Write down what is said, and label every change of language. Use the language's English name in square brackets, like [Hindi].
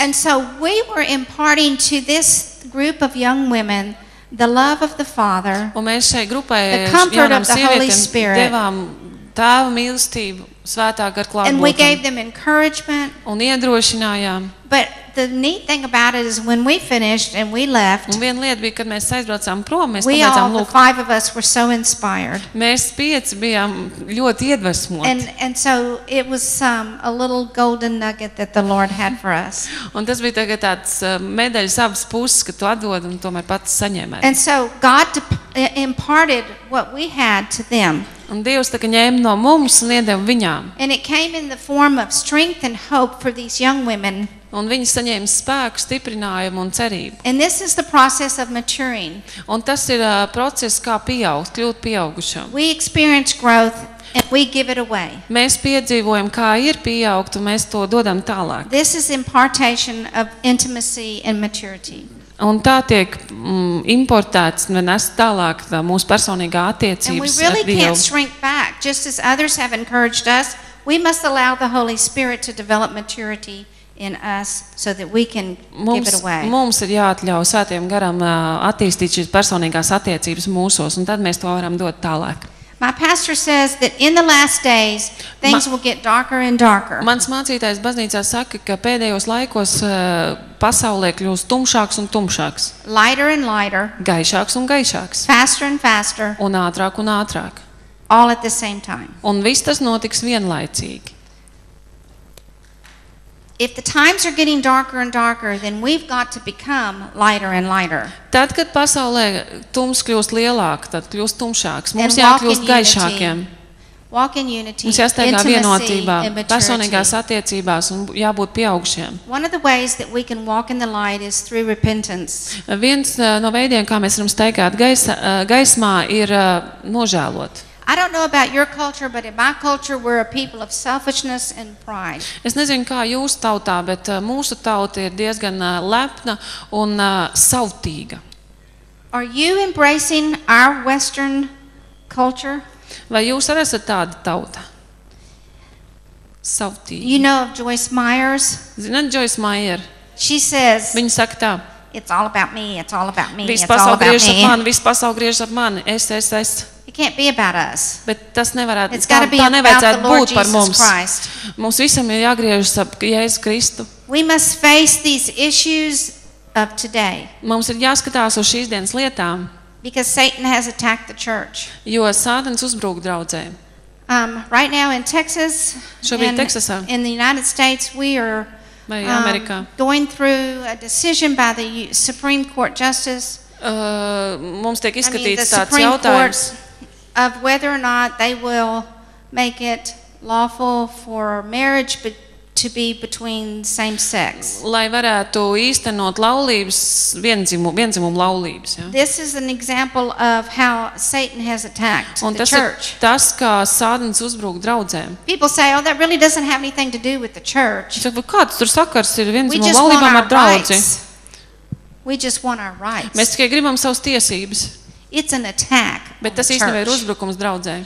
[English] And so we were imparting to this group of young women the love of the Father. [Latvian] Un mēs šai grupai jaunām sievietēm devām tēva mīlestību, svētā gara klātbūtni. [English] And we gave them encouragement. [Latvian] Un iedrošinājām. [English] But the neat thing about it is when we finished and we left. [Latvian] Un viena lieta bija, kad mēs aizbraucām prom, mēs pamēdzām lūgt. [English] The five of us were so inspired. [Latvian] Mēs pieci bijām ļoti iedvesmoti. [English] And so it was a little golden nugget that the Lord had for us. [Latvian] Un tas bija tagad tāds medaļas abas puses, ka tu atdod un tomēr pats saņēmēji. [English] And so God imparted what we had to them. [Latvian] Un Dievs tā kā ņēma no mums un iedeva viņām. [English] And it came in the form of strength and hope for these young women. [Latvian] Un viņi saņēma spēku, stiprinājumu un cerību. [English] And this is the process of maturing. [Latvian] Un tas ir process, kā pieaugt, kļūt pieaugušam. [English] We experience growth and we give it away. [Latvian] Mēs piedzīvojam, kā ir pieaugt, un mēs to dodam tālāk. [English] This is impartation of intimacy and maturity. [Latvian] Un tā tiek importēts un nes tālāk mūsu personīgā attiecības ar Dievu. [English] And we really can't shrink back. Just as others have encouraged us, we must allow the Holy Spirit to develop maturity in us so that we can [Latvian] mums, [English] give it away. [Latvian] Mums ir jāatļauj Svētajam Garam attīstīt šīs personīgās attiecības mūsos, un tad mēs to varam dot tālāk. [English] My pastor says that in the last days things will get darker and darker. [Latvian] Mans mācītājs baznīcā saka, ka pēdējos laikos pasaulē kļūst tumšāks un tumšāks. [English] Lighter and lighter. [Latvian] Gaišāks un gaišāks. [English] Faster and faster. [Latvian] Un ātrāk un ātrāk. [English] All at the same time. [Latvian] Un viss tas notiks vienlaicīgi. [English] If the times are getting darker and darker, then we've got to become lighter and lighter. [Latvian] Tad, kad pasaulē tums kļūst lielāk, tad kļūst tumšāks. Mums jākļūst gaišākiem. [English] Walk in unity. [Latvian] Mums jāstaigā vienotībā, personīgās attiecībās un jābūt pieaugušiem. [English] One of the ways that we can walk in the light is through repentance. [Latvian] Viens no veidiem, kā mēs varam staigāt gaismā, ir nožēlot. [English] I don't know about your culture, but in my culture we're a people of selfishness and pride. [Latvian] Es nezinu, kā jūsu tautā, bet mūsu tauta ir diezgan lepna un savtīga. [English] Are you embracing our Western culture? [Latvian] Vai jūs arī esat tāda tauta? Savtīga. [English] You know of Joyce Meyer? [Latvian] Zinat Joyce Meyer? [English] She says. [Latvian] Viņa saka tā. [English] It's all about me, it's all about me, [Latvian] viss [English] it's all about me. [Latvian] Ap mani, viss pasauli griež ap mani, es. [English] It can't be about us. [Latvian] Bet tas nevarētu, [English] it's gotta be [Latvian] tā nevajadzētu [English] about the Lord Jesus Christ. [Latvian] Mums. Mums visam ir jāgriežas ap Jēzu Kristu. [English] We must face these issues of today. [Latvian] Mums ir jāskatās uz šīs dienas lietām. [English] Because Satan has attacked the church. [Latvian] Jo Sātans uzbrūk draudzē. [English] Right now in Texas, [Latvian] šobrīd Teksasā, [English] in the United States, we are [Latvian] Amerikā. [English] Going through a decision by the Supreme Court justice. [Latvian] Mums tiek izskatīts tāds jautājums. [English] Of whether or not they will make it lawful for marriage to be between same sex. [Latvian] Lai varētu īstenot laulības, viendzimumu laulības, ja. [English] This is an example of how Satan has attacked [Latvian] un [English] the church. [Latvian] Un tas, kā Sādens uzbrūk draudzēm. [English] People say, oh, that really doesn't have anything to do with the church. [Latvian] Kāds tur sakars ir viendzimumu laulībām ar draudzi? [English] We just want our rights. [Latvian] Mēs tikai gribam savas tiesības. [English] It's an attack. [Latvian] Bet tas īstenībā ir uzbrukums draudzē.